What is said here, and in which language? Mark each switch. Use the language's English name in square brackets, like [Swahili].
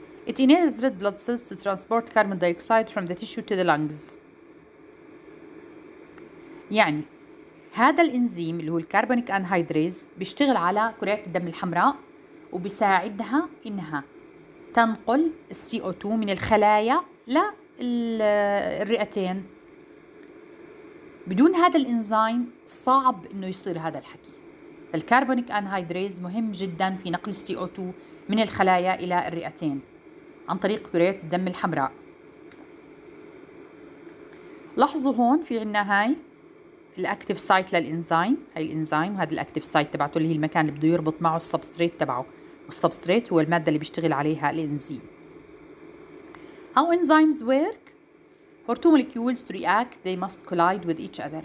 [English] It enables red blood cells to transport carbon dioxide from the tissue to the lungs. [Arabic] يعني هذا الإنزيم اللي هو الكربونيك أنهيدريز بيشتغل على كريات الدم الحمراء وبيساعدها إنها تنقل CO2 من الخلايا للرئتين. بدون هذا الإنزيم صعب إنه يصير هذا الحكي. الكربونيك أنهيدريز مهم جدا في نقل CO2 من الخلايا إلى الرئتين عن طريق كريات الدم الحمراء. لاحظوا هون في عنا هاي الأكتيف سايت للإنزيم، هاي الإنزيم وهذا الأكتيف سايت تبعته اللي هي المكان اللي بده يربط معه السبستريت تبعه، والسبستريت هو المادة اللي بيشتغل عليها الإنزيم. [English] How enzymes work? For two molecules to react they must collide with each other.